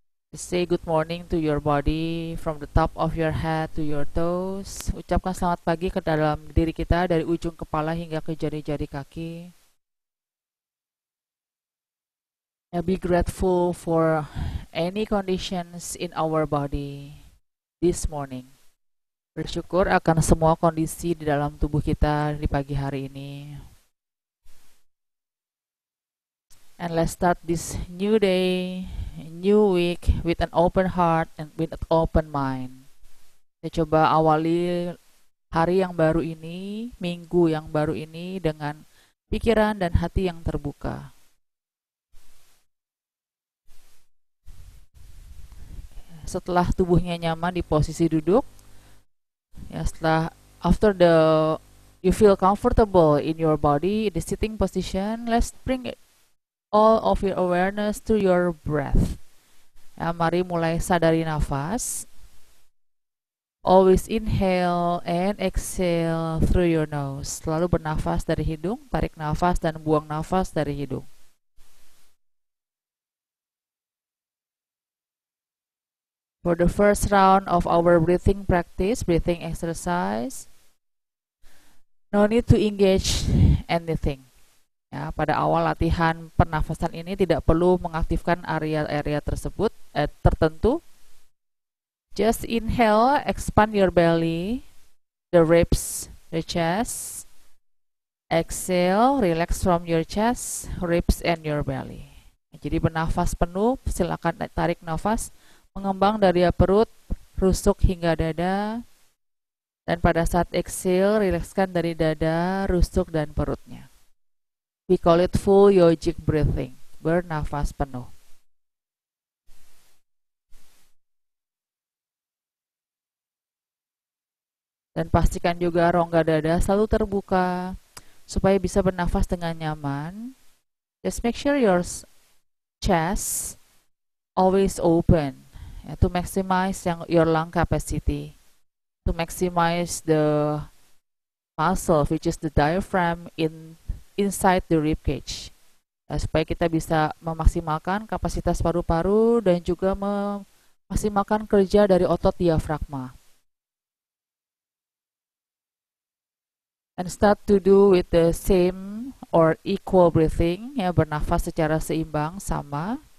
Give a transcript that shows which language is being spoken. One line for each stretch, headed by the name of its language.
English: Say good morning to your body from the top of your head to your toes.
Indonesian: Ucapkan selamat pagi ke dalam diri kita dari ujung kepala hingga ke jari-jari kaki.
English: And be grateful for any conditions in our body this morning.
Indonesian: Bersyukur akan semua kondisi di dalam tubuh kita di pagi hari ini.
English: And let's start this new day, new week with an open heart and with an open mind.
Indonesian: Kita coba awali hari yang baru ini, minggu yang baru ini dengan pikiran dan hati yang terbuka. Setelah tubuhnya nyaman di posisi duduk, ya, setelah
English: after the you feel comfortable in your body, the sitting position, let's bring all of your awareness to your breath.
Indonesian: Ya, mari mulai sadari nafas.
English: Always inhale and exhale through your nose.
Indonesian: Selalu bernafas dari hidung, tarik nafas dan buang nafas dari hidung.
English: For the first round of our breathing practice, breathing exercise, no need to engage anything.
Indonesian: Ya, pada awal latihan pernafasan ini tidak perlu mengaktifkan area-area tersebut tertentu.
English: Just inhale, expand your belly, the ribs, the chest. Exhale, relax from your chest, ribs and your belly.
Indonesian: Jadi bernafas penuh, silakan tarik nafas mengembang dari perut, rusuk hingga dada. Dan pada saat exhale, rilekskan dari dada, rusuk dan perutnya.
English: We call it full yogic breathing,
Indonesian: bernafas penuh. Dan pastikan juga rongga dada selalu terbuka supaya bisa bernafas dengan nyaman.
English: Just make sure your chest always open to maximize your lung capacity, to maximize the muscle, which is the diaphragm inside the rib cage.
Indonesian: Nah, supaya kita bisa memaksimalkan kapasitas paru-paru dan juga memaksimalkan kerja dari otot diafragma.
English: And start to do with the same or equal breathing, ya,
Indonesian: bernafas secara seimbang, sama.